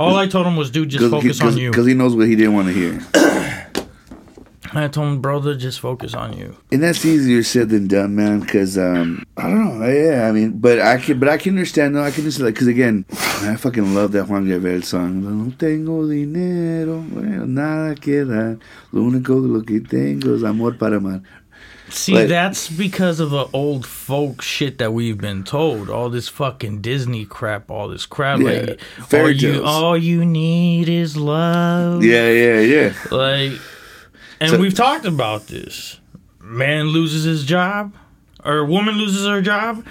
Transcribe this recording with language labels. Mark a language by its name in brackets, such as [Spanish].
[English] All I told him was, dude, just focus on you. Because he knows what he didn't want to hear. I told him, brother, just focus on you. And that's easier said than done, man, because, I don't know, yeah, I mean, but I can understand, like, because, again, I fucking love that Juan Gabriel song. [Spanish] No tengo dinero, nada que dar, lo único lo que tengo es amor para amar. [English] See, but, that's because of the old folk shit that we've been told. All this fucking Disney crap, all this crap. Yeah, like, all you need is love. Yeah, yeah, yeah. Like... And so, we've talked about this. Man loses his job, or woman loses her job.